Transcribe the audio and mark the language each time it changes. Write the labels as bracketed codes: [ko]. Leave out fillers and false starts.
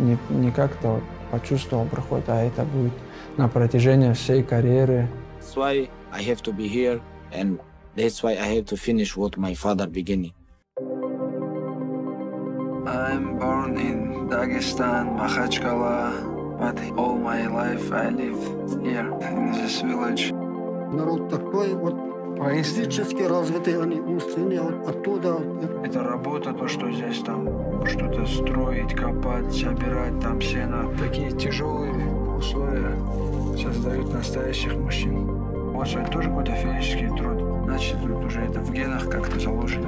[ru] Не как-то почувствовал проход, а это будет на протяжении всей карьеры. [en] That's why I have to be here, and that's why I have to finish what my father began. I'm born in Dagestan, Makhachkala, but all my life I live here in this village. [ru] Народ такой вот, поистически развитый, они умственные, вот оттуда. Это работа, то, что здесь там что-то строить, копать, собирать там сено. Такие тяжелые условия создают настоящих мужчин. Вот это тоже какой-то физический труд. Значит, тут уже это в генах как-то заложено.